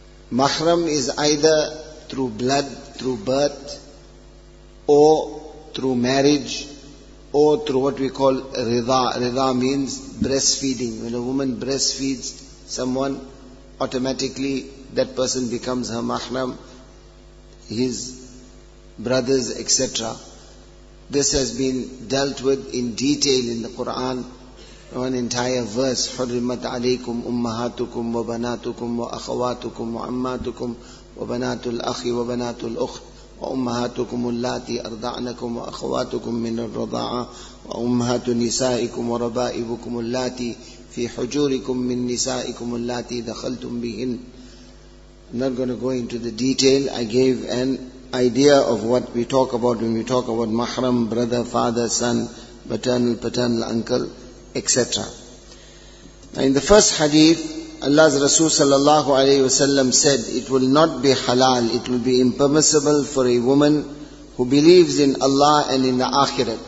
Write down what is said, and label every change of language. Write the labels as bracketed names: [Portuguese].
[English] Mahram is either through blood, through birth, or through marriage, or through what we call rida. Rida means breastfeeding. When a woman breastfeeds someone, automatically that person becomes her mahram, his brothers, etc. This has been dealt with in detail in the Quran, one entire verse, [Arabic] حُرِّمَتْ عَلَيْكُمْ أُمَّهَاتُكُمْ وَبَنَاتُكُمْ وَأَخَوَاتُكُمْ وَعَمَّاتُكُمْ وَبَنَاتُ الْأَخِ وَبَنَاتُ الْأُخْتِ وَأُمَّهَاتُكُمُ اللَّاتِي أَرْضَعْنَكُمْ وَأَخَوَاتُكُمْ مِنَ الرَّضَاعَةِ وَأُمَّهَاتُ نِسَائِكُمْ وَرَبَائِبُكُمُ اللَّاتِي فِي حُجُورِكُمْ مِنْ نِسَائِكُمُ اللَّاتِي دَخَلْتُمْ بِهِنَّ. [English] I'm not going to go into the detail. I gave an idea of what we talk about when we talk about mahram, brother, father, son, maternal, paternal, uncle, etc. Now in the first hadith, Allah's Rasul sallallahu alayhi wa sallam said, it will not be halal, it will be impermissible for a woman who believes in Allah and in the akhirah.